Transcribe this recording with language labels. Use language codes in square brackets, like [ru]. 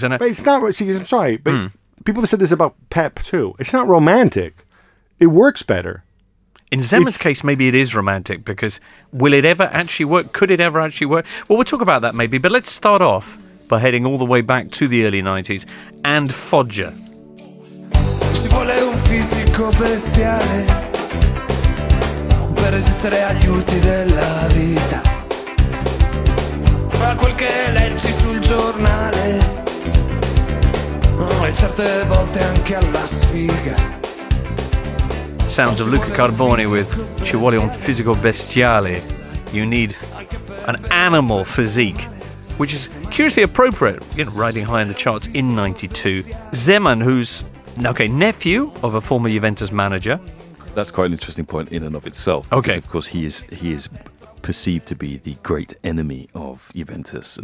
[en] But it's not, see, I'm sorry, but people have said this about Pep too. It's not romantic. It works better. In Zeman's case, maybe it is romantic, because will it ever actually work? Could it ever actually work? Well, we'll talk about that maybe, but let's start off by heading all the way back to the early 90s and Foggia. [it] Si vuole un fisico bestiale per resistere agli urti della vita. Fra quel che leggi sul giornale e certe volte anche alla sfiga. [en] Sounds of Luca Carboni with Ci vuole un fisico bestiale. You need an animal physique, which is curiously appropriate, you know, riding high in the charts in 92. Zeman, who's, okay, nephew of a former Juventus manager. That's quite an interesting point in and of itself. Okay. Because, of course, he is perceived to be the great enemy of Juventus.